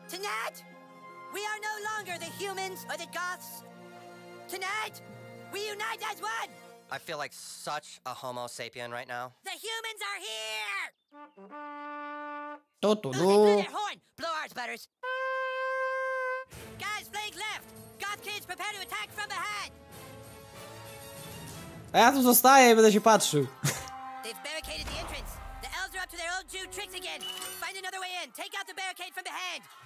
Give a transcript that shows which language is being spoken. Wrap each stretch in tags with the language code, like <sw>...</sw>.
<en>Tonight, we are no longer the humans or the Goths. Tonight, we unite as one I feel like such a homo sapien right now. The humans are here! Okay, blow their horn! Blow ours, Butters. Guys, flank left! Goth kids, prepare to attack from behind!</en> <pl>A ja tu zostaję i będę się patrzył.</pl> <en>They've barricaded the entrance. The elves are up to their old Jew tricks again. Find another way in. Take out the barricade from behind.</en>